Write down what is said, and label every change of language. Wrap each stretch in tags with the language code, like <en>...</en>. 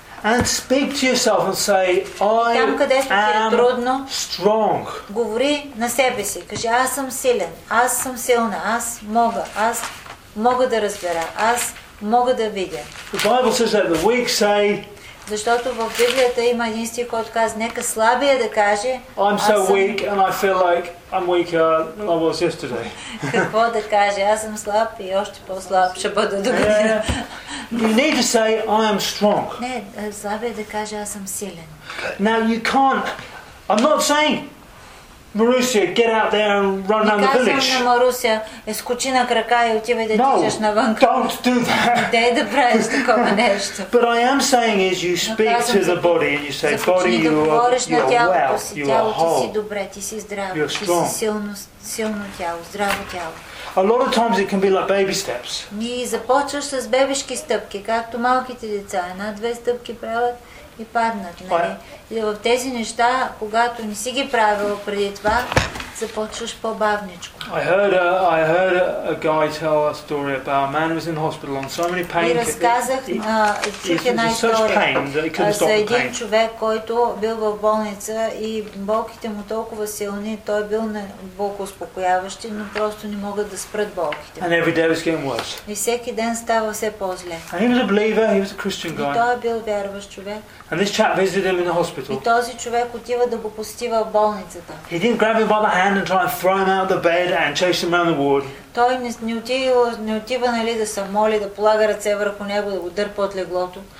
<en>And speak to yourself and say, I</en> <bg>там, където ти е трудно,</bg> <en>strong.</en> <bg>Говори на себе си. Кажи, аз съм силен, аз съм силна, аз мога да разбера, аз мога да видя.</bg> <en>The Bible says that the weak say,</en> <bg>защото в Библията има един стих, който казва, нека слабия да каже,</bg> <en>I'm so weak and I feel like I'm weaker than I was yesterday.</en> <bg>Какво да каже, аз съм слаб и още по-слаб ще бъда до година.</bg> <en>You need to say, I am strong.</en> <bg>Не, слабия да каже, аз съм силен.</bg> <en>Now you can't, I'm not saying, Marussia, get out there and run around the village.</en> <bg>Казвам на Марусия, ескочи на крака и отивай да тичаш навън.</bg> <en>No, don't do that.</en> <bg>Не дей да правиш такова нещо.</bg> <en>But I am saying is you speak to the body and you say, body, you are well, you are whole.</en> <bg>Ти си добре, ти си здрав, ти си силно, силно тяло, здраво тяло.</bg> <en>A lot of times it can be like baby steps.</en> <bg>Ни започваш с бебешки стъпки, както малките деца, една-две стъпки правят и паднат, нали? И в тези неща, когато не си ги правил преди това, започваш по-бавничко.</bg> <en>I heard a guy tell a story about a man who was in hospital on so many pain.</en> <bg>И разказах една история за един човек, който бил в болница и болките му толкова силни, той бил на болкоуспокояващи, но просто не могат да спрат болките.</bg> <en>And every day was getting worse.</en> <bg>И всеки ден става все по-зле.</bg> <en>And he was a believer, he was a Christian guy.</en> <bg>И той бил вярващ човек.</bg> <en>And this chap visited him in the hospital.</en> <bg>И този човек отива да го посети в болницата.</bg> <en>He didn't grab him by the hand and try and throw him out of the bed and chase him around the ward.</en> <bg>Той не отива, нали, да се моли, да полага ръце върху него, да го дърпа от леглото.</bg>